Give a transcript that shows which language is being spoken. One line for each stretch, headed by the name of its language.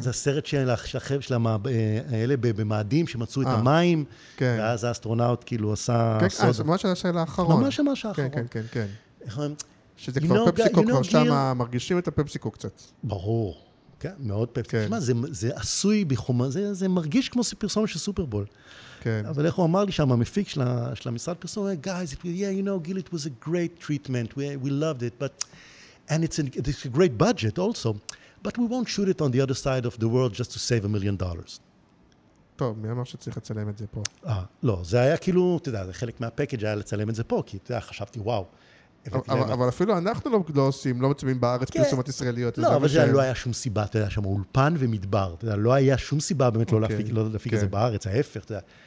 Hebrew: זה הסרט של החבר של האלה במאדים שמצאו את המים, ואז האסטרונאוט כאילו עשה... כן, זה ממש השאלה האחרון. ממש ממש האחרון. כן. איך הם... שזה כבר פפסיקו, כבר שם מרגישים את הפפסיקו קצת. ברור. כן, מאוד פפסיקו. תשמע, זה עשוי בחומה, זה מרגיש כמו פרסומת של סופרבול. כן. אבל איך הוא אמר לי שם, המפיק של המשרד פרסומת,
English: guys, yeah, you know, Gil, it was a great treatment, we loved it, but... And it's a great budget also. But we won't shoot it on the other side of the world just to save $1 million.
Hebrew: טוב, מי אמר שצריך לצלם את זה פה? לא, זה היה כאילו, אתה יודע, זה חלק מהפקאג היה לצלם את זה פה, כי אתה יודע, חשבתי, וואו. אבל אפילו אנחנו לא עושים, לא מצבים בארץ פרסומות ישראליות. לא, אבל זה לא היה שום סיבה, אתה יודע, שם אולפן ומדבר. אתה יודע, לא היה שום סיבה באמת לא להפיק את זה בארץ, ההפך, אתה יודע.